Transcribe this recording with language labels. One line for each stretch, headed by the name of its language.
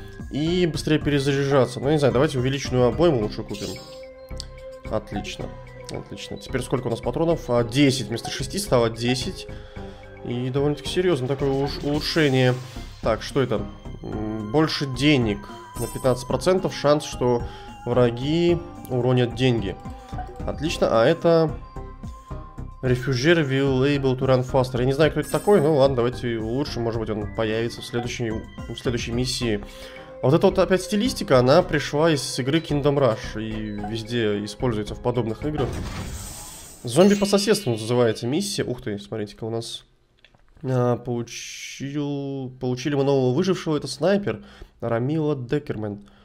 Russian: И быстрее перезаряжаться. Ну, не знаю, давайте увеличенную обойму лучше купим. Отлично. Отлично. Теперь сколько у нас патронов? 10 вместо 6 стало 10. И довольно-таки серьезно такое улучшение. Так, что это? Больше денег. На 15% шанс, что враги уронят деньги. Отлично. А это...
English: Refugee will able to run faster.
Russian: Я не знаю, кто это такой. Ну, ладно, давайте улучшим. Может быть, он появится в следующей миссии. Вот эта вот опять стилистика, она пришла из игры Kingdom Rush и везде используется в подобных играх. Зомби по соседству называется миссия. Ух ты, смотрите-ка, у нас получили мы нового выжившего, это снайпер Рамила Деккерман.